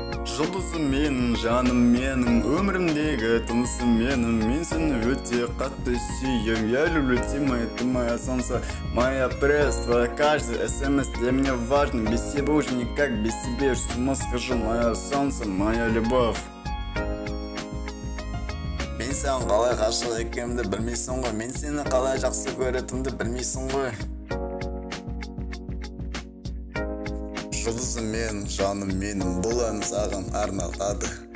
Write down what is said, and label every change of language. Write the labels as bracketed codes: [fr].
[kk] Жұлдызым менің, жаным менің, өмірімдегі тынысым менің. Мен сені өте қатты сүйем. [ru] Я люблю ты, моя, ты моя солнце, моя пресса. Каждый смс для меня важен. Без тебя уже никак, без тебя уж с ума схожу. Моя солнце, моя любовь. [kk] Мен саған қалай ғашық екенімді білмейсің ғой. Мен сені қалай жақсы көретінімді білмейсің ғой. Жұлдызым мен, жаным менің, бұл ән саған арналады.